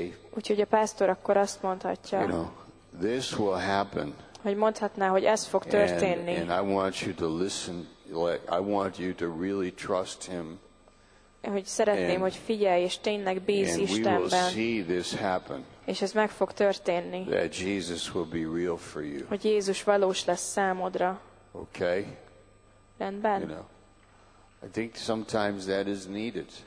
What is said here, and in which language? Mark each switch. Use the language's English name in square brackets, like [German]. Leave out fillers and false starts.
[Hungarian] Úgyhogy a pásztor akkor azt mondhatja, [English] this will happen. [Hungarian] Hogy mondhatná, hogy ez fog történni. [English] And I want you to listen, I want you to really trust him. [Hungarian] Hogy szeretném, hogy figyelj és tényleg bíz Istenben. [English] And we will see this happen. [Hungarian] És ez meg fog történni. [English] That Jesus will be real for you. [Hungarian] Hogy Jézus valós lesz számodra. [English] Okay. [Hungarian] Rendben. [English] You know, I think sometimes that is needed.